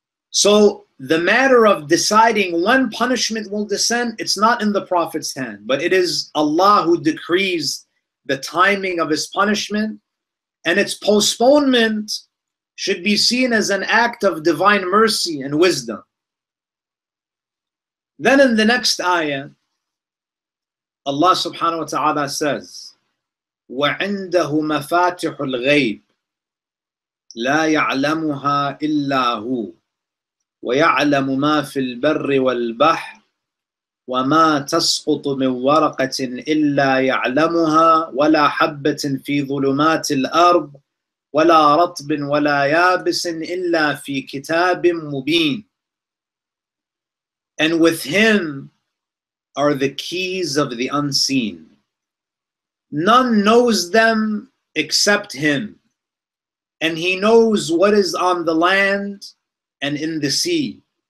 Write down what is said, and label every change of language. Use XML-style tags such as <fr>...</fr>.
<en>So the matter of deciding when punishment will descend, it's not in the Prophet's hand, but it is Allah who decrees the timing of his punishment, and its postponement should be seen as an act of divine mercy and wisdom. Then in the next ayah, Allah subhanahu wa ta'ala says,</en> <ar>وَعِنْدَهُ مَفَاتِحُ الْغَيْبِ لَا يَعْلَمُهَا إِلَّا هُوَ وَيَعْلَمُ مَا فِي الْبَرِّ وَالْبَحْرِ وَمَا تَسْقُطُ مِنْ وَرَقَةٍ إِلَّا يَعْلَمُهَا وَلَا حَبَّةٍ فِي ظُلُمَاتِ الْأَرْضِ وَلَا رَطْبٍ وَلَا يَابِسٍ إِلَّا فِي كِتَابٍ مُبِينٍ.</ar> <en>And with him are the keys of the unseen. None knows them except him. And he knows what is on the land and in the sea.</en>